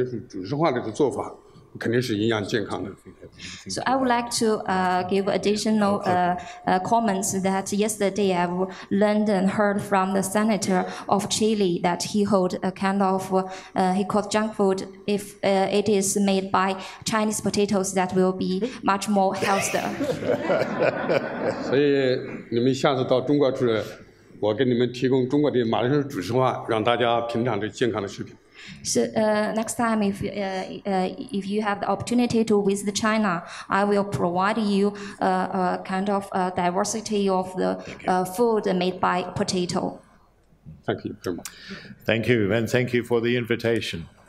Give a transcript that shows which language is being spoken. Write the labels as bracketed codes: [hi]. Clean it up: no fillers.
[zh] 主要就是昨天这个智利那个议员呢，他拿着这个方便，哎，方便面。如果用中国的这个马铃薯煮石化的这个做法，肯定是营养健康的。 [en] So I would like to give additional comments that yesterday I've learned and heard from the senator of Chile that he hold a kind of he called junk food. If it is made by Chinese potatoes, that will be much more healthier. [zh] 所以你们下次到中国去，我给你们提供中国的马铃薯煮石化，让大家品尝这健康的食品。 [en] So next time, if you have the opportunity to visit China, I will provide you a kind of a diversity of the food made by potato. Thank you very much. Thank you, and thank you for the invitation.